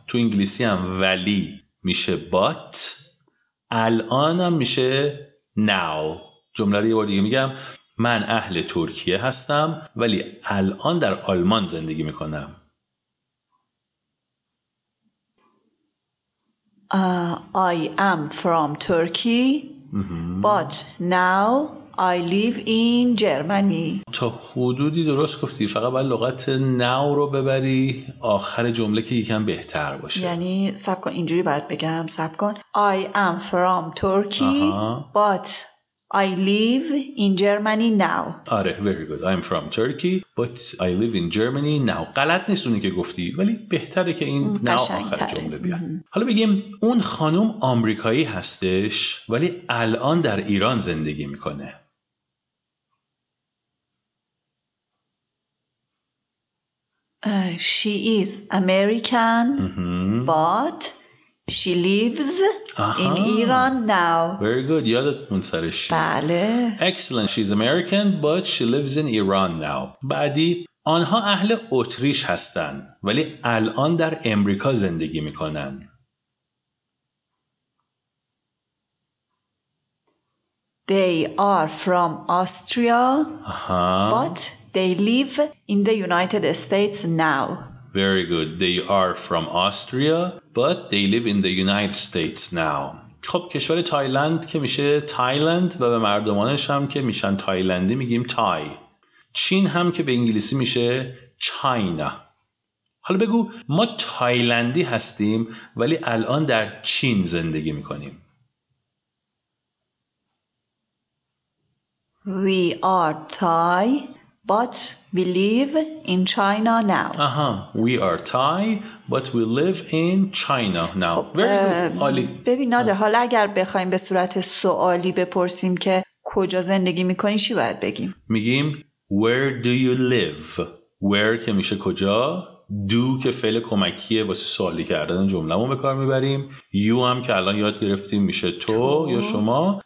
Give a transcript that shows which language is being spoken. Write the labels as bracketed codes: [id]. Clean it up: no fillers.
[fa] تو انگلیسی هم ولی میشه but، الان هم میشه now. جمله رو یه بار دیگه میگم، من اهل ترکیه هستم ولی الان در آلمان زندگی میکنم. [en] I am from Turkey, but now I live in Germany. [fa] تا حدودی درست گفتی، فقط باید لغت now رو ببری آخر جمله که یکم بهتر باشه. یعنی صبر کن اینجوری باید بگم، صبر کن. [en] I am from Turkey, but I live in Germany now. آره، very good. I'm from Turkey, but I live in Germany now. [fa] غلط نیست اونی که گفتی، ولی بهتره که این now آخر جمله بیاد. حالا بگیم اون خانم آمریکایی هستش، ولی الان در ایران زندگی میکنه. [en] She is American, but she lives in Iran now. Very good. [fa] یادت مون سرش. بله. [en] Excellent. She's American but she lives in Iran now. [fa] بعدی، آنها اهل اتریش هستند ولی الان در امریکا زندگی میکنن. [en] They are from Austria, but they live in the United States now. Very good. They are from Austria, but they live in the United States now. [fa] خب کشور تایلند که میشه تایلند و به مردمانش هم که میشن تایلندی میگیم تای. چین هم که به انگلیسی میشه چاینا. حالا بگو ما تایلندی هستیم ولی الان در چین زندگی میکنیم. [en] We are Thai, but we live in China now. We are Thai, but we live in China now. [fa] خب, [en] very good. [fa] عالی. ببین نادر, حالا اگر بخوایم به صورت سوالی بپرسیم که کجا زندگی میکنی چی باید بگیم؟ میگیم [en] Where do you live? [fa] Where که میشه کجا؟ Do که فعل کمکیه واسه سوالی کردن جمله‌مون به کار میبریم. You هم که الان یاد گرفتیم میشه تو یا شما.